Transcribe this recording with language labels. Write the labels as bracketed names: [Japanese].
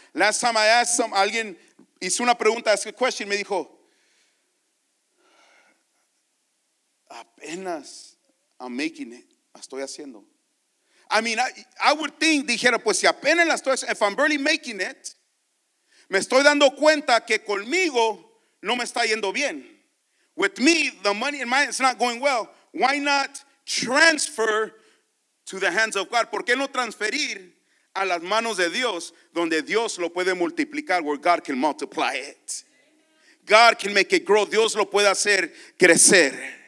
[English] Last time I asked some, [Spanish] alguien hizo una pregunta, [English] asked a question, [Spanish] me dijo, apenas [English] I'm making it. [Spanish] Estoy haciendo. [English] I would think, [Spanish] dijera, pues si apenas la estoy, [English] if I'm barely making it, [Spanish] me estoy dando cuenta que conmigo no me está yendo bien. [English] With me, the money in my, it's not going well. Why not transfer to the hands of God? [Spanish] ¿Por qué no transferir a las manos de Dios, donde Dios lo puede multiplicar, [English] where God can multiply it? God can make it grow. [Spanish] Dios lo puede hacer crecer.